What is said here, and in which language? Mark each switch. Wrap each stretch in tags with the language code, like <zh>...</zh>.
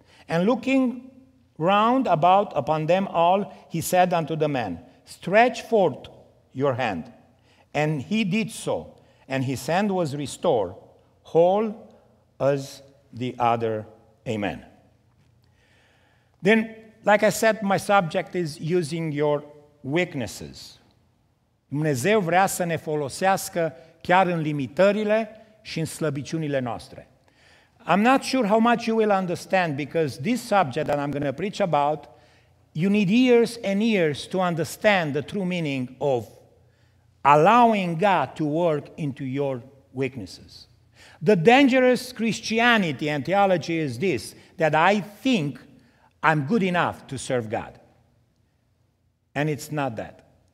<en>And looking round about upon them all, he said unto the man, stretch forth your hand. And he did so, and his hand was restored, whole as the other. Amen. Then, like I said, my subject is using your weaknesses.</en> <ro>Dumnezeu vrea să ne folosească chiar în limitările și în slăbiciunile noastre.</ro> <en>I'm not sure how much you will understand, because this subject that I'm going to preach about, you need years and years to understand the true meaning of allowing God to work into your weaknesses. The dangerous Christianity and theology is this, that I think I'm good enough to serve God. And it's not that.</en>